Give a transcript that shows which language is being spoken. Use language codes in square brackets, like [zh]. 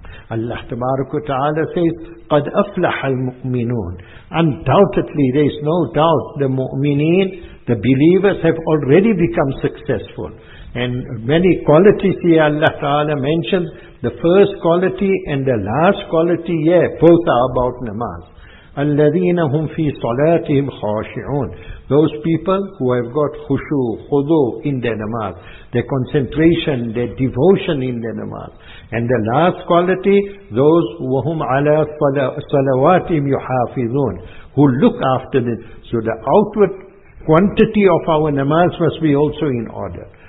[en] Allah tabaraka wa ta'ala says, [ar] قَدْ أَفْلَحَ الْمُؤْمِنُونَ. [en] Undoubtedly, there is no doubt, the mu'mineen, the believers, have already become successful. And many qualities here Allah ta'ala mentions, the first quality and the last quality, yeah, both are about namaz. [ar] الذين هم في صلاتهم خاشعون. [en] Those people who have got khushu, khudu in their namaz, their concentration, their devotion in their namaz. And the last quality, those [ar] وَهُمْ عَلَى صَلَوَاتِهِمْ يُحَافِظُونَ, [en] who look after them. So the outward quantity of our namaz must be also in order.